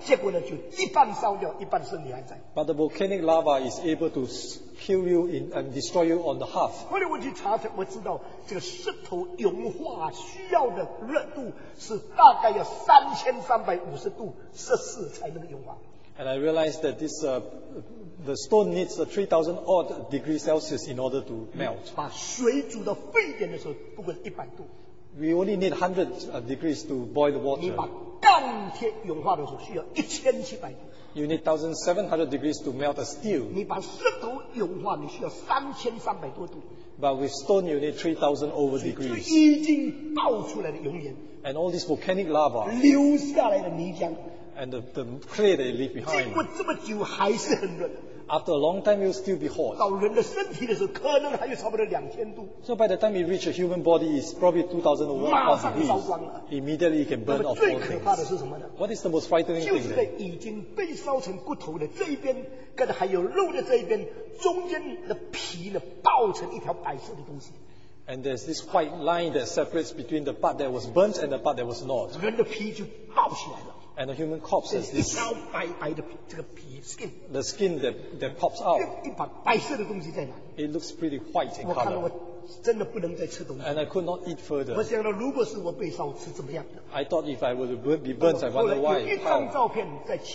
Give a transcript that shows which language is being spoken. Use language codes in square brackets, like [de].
[en] But the volcanic lava is able to kill you in and destroy you on the half. [zh] 后来我去查查，我知道这个石头融化需要的热度是大概要3350度摄氏才能融化。 [en] And I realized that this the stone needs a 3,000 odd degrees Celsius in order to melt. [zh] 把水煮到沸点的时候，不过100度。 [en] We only need 100 degrees to boil the water. [zh] 你把钢铁融化的时候需要1700度。 [en] You need 1,700 degrees to melt a steel. [zh] 你把石头融化，你需要3,300多度。 [en] But with stone, you need 3,000 over degrees. [zh] 已经爆出来的熔岩。 [en] And all this volcanic lava. [zh] 流下来的泥浆。 [en] And the clay they leave behind. [zh] 经过这么久还是很热。 [en] After a long time, it'll still be hot. [zh] 到人的身体的时候，可能还有差不多2000度。 [en] So by the time it reaches a human body, it's probably 2,000 degrees. Immediately, it can burn off all things. What is the most frightening thing? [zh] 就是已经被烧成骨头的这一边，跟还有肉的这一边，中间的皮呢，爆成一条白色的东西。 [en] And there's this white line that separates between the part that was burnt and the part that was not. [zh] 人的皮就爆起来了。 [en] And the human corpse has this skin. The skin that pops out. It looks pretty white in color. [zh] 我看了我真的不能再吃东西。 [en] And I could not eat further. [zh] 我想了如果是我被烧吃怎么样的? [en] I thought if I would be burnt, I wonder why.